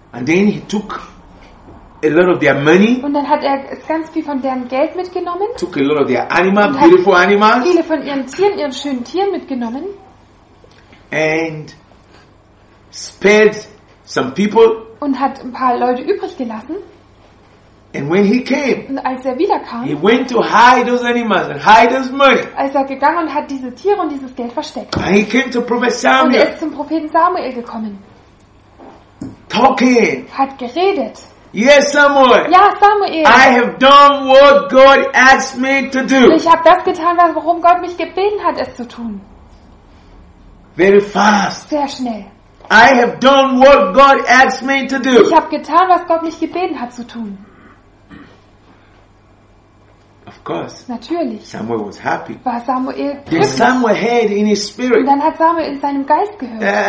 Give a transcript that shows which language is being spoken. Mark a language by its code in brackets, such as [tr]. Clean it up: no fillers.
[en] And then he took a lot of their money. [de] Und dann hat er ganz viel von deren Geld mitgenommen. [en] Took a lot of their animals, beautiful animals. [de] Viele von ihren Tieren, ihren schönen Tieren mitgenommen. [en] And spared some people. [de] Und hat ein paar Leute übrig gelassen. [en] And when he came, [de] und als er wiederkam, [en] he went to hide those animals and hide his money. [de] Als er gegangen und hat diese Tiere und dieses Geld versteckt. [en] And he came to Prophet Samuel. [de] Und er ist zum Propheten Samuel gekommen. [en] Talking. [de] Hat geredet. [en] Yes, Samuel. [de] Ja, Samuel. [en] I have done what God asked me to do. [de] Ich habe das getan, warum Gott mich gebeten hat, es zu tun. [en] Very fast. [de] Sehr schnell. [en] I have done what God asked me to do. [de] Ich habe getan, was Gott mich gebeten hat zu tun. [en] Of course. [de] Natürlich. [en] Samuel was happy. [de] War Samuel glücklich. [en] Then Samuel heard in his spirit. [de] Und dann hat Samuel in seinem Geist gehört.